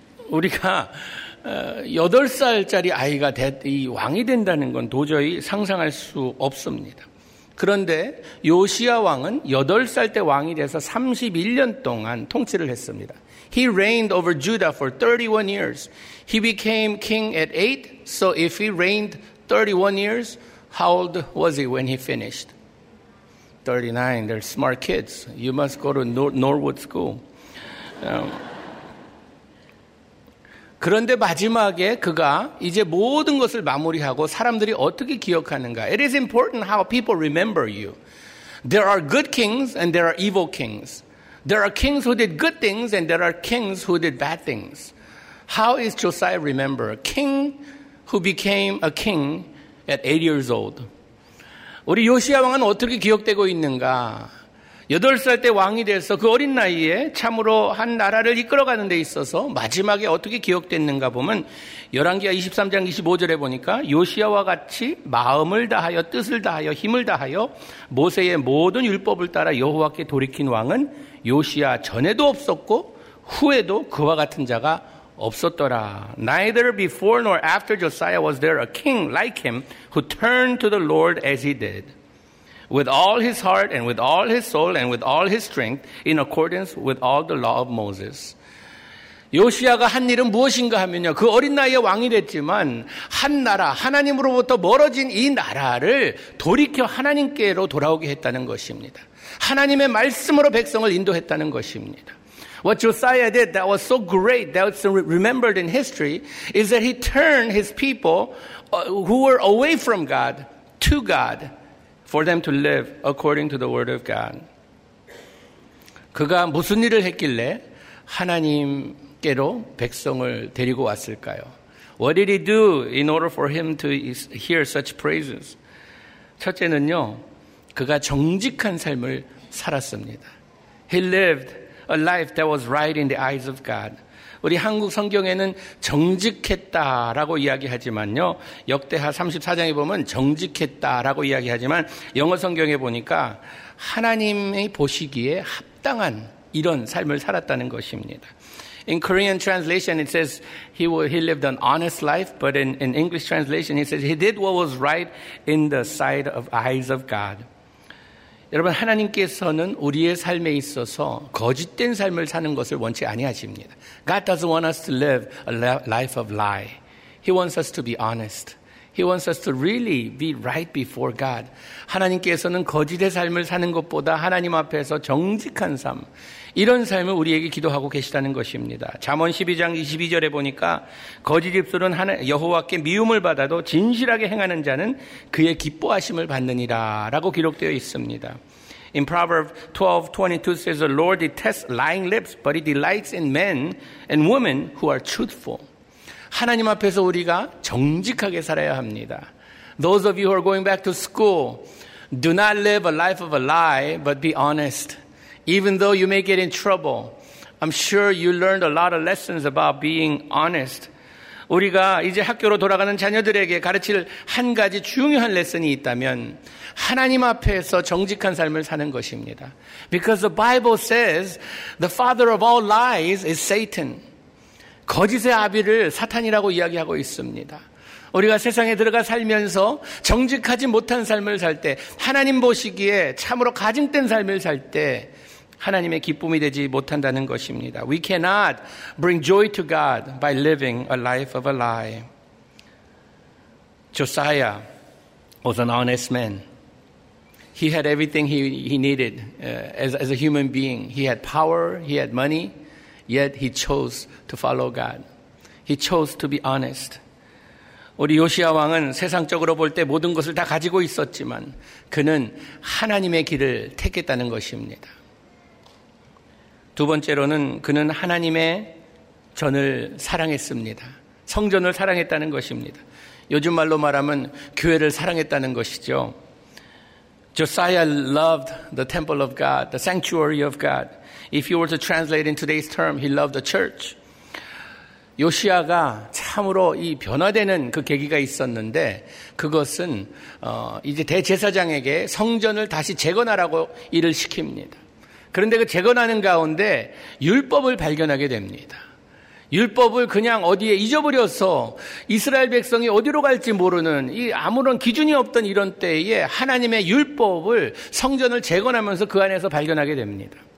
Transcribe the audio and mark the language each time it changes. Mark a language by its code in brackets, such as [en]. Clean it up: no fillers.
[ko] 우리가 8살짜리 아이가 이 왕이 된다는 건 도저히 상상할 수 없습니다. 그런데 요시야 왕은 8살 때 왕이 돼서 31년 동안 통치를 했습니다. [en] He reigned over Judah for 31 years. He became king at 8. So if he reigned 31 years, how old was he when he finished? 39. They're smart kids. You must go to Norwood School. 그런데 마지막에 그가 이제 모든 것을 마무리하고 사람들이 어떻게 기억하는가? It is important how people remember you. There are good kings and there are evil kings. There are kings who did good things and there are kings who did bad things. How is Josiah remembered? A king who became a king at 8 years old. [ko] 우리 요시야 왕은 어떻게 기억되고 있는가? 8살 때 왕이 돼서 그 어린 나이에 참으로 한 나라를 이끌어가는 데 있어서 마지막에 어떻게 기억됐는가 보면 열왕기하 23장 25절에 보니까 요시야와 같이 마음을 다하여 뜻을 다하여 힘을 다하여 모세의 모든 율법을 따라 여호와께 돌이킨 왕은 요시야 전에도 없었고 후에도 그와 같은 자가 없었더라. [en] Neither before nor after Josiah was there a king like him who turned to the Lord as he did. With all his heart and with all his soul and with all his strength in accordance with all the law of Moses. [ko] 요시야가 한 일은 무엇인가 하면요. 그 어린 나이에 왕이 됐지만 한 나라, 하나님으로부터 멀어진 이 나라를 돌이켜 하나님께로 돌아오게 했다는 것입니다. 하나님의 말씀으로 백성을 인도했다는 것입니다. [en] What Josiah did that was so great, that was remembered in history, is that he turned his people who were away from God to God. For them to live according to the word of God. [ko] 그가 무슨 일을 했길래 하나님께로 백성을 데리고 왔을까요? [en] What did he do in order for him to hear such praises? [ko] 첫째는요, 그가 정직한 삶을 살았습니다. [en] He lived a life that was right in the eyes of God. [ko] 우리 한국 성경에는 정직했다라고 이야기하지만요. 역대하 34장에 보면 정직했다라고 이야기하지만 영어 성경에 보니까 하나님이 보시기에 합당한 이런 삶을 살았다는 것입니다. [en] In Korean translation it says he lived an honest life, but in English translation it says he did what was right in the sight of eyes of God. [ko] 여러분 하나님께서는 우리의 삶에 있어서 거짓된 삶을 사는 것을 원치 아니하십니다. [en] God doesn't want us to live a life of lie. He wants us to be honest. He wants us to really be right before God. [ko] 하나님께서는 거짓의 삶을 사는 것보다 하나님 앞에서 정직한 삶, 이런 삶을 우리에게 기도하고 계시다는 것입니다. 잠언 12장 22절에 보니까 거짓 입술은 여호와께 미움을 받아도 진실하게 행하는 자는 그의 기뻐하심을 받느니라 라고 기록되어 있습니다. [en] In Proverbs 12:22 says, The Lord detests lying lips, but he delights in men and women who are truthful. [ko] 하나님 앞에서 우리가 정직하게 살아야 합니다. [en] Those of you who are going back to school, do not live a life of a lie, but be honest. Even though you may get in trouble, I'm sure you learned a lot of lessons about being honest. [ko] 우리가 이제 학교로 돌아가는 자녀들에게 가르칠 한 가지 중요한 레슨이 있다면 하나님 앞에서 정직한 삶을 사는 것입니다. [en] Because the Bible says the father of all lies is Satan. [ko] 거짓의 아비를 사탄이라고 이야기하고 있습니다. 우리가 세상에 들어가 살면서 정직하지 못한 삶을 살 때 하나님 보시기에 참으로 가증된 삶을 살 때 하나님의 기쁨이 되지 못한다는 것입니다. [en] We cannot bring joy to God by living a life of a lie. Josiah was an honest man. He had everything he needed as a human being. He had power, he had money. Yet he chose to follow God. He chose to be honest. [ko] 우리 요시야 왕은 세상적으로 볼 때 모든 것을 다 가지고 있었지만 그는 하나님의 길을 택했다는 것입니다. 두 번째로는 그는 하나님의 전을 사랑했습니다. 성전을 사랑했다는 것입니다. 요즘 말로 말하면 교회를 사랑했다는 것이죠. [en] Josiah loved the temple of God, the sanctuary of God. If you were to translate in today's term, he loved the church. [ko] 요시야가 참으로 이 변화되는 그 계기가 있었는데 그것은 이제 대제사장에게 성전을 다시 재건하라고 일을 시킵니다. 그런데 그 재건하는 가운데 율법을 발견하게 됩니다. 율법을 그냥 어디에 잊어버려서 이스라엘 백성이 어디로 갈지 모르는 이 아무런 기준이 없던 이런 때에 하나님의 율법을 성전을 재건하면서 그 안에서 발견하게 됩니다.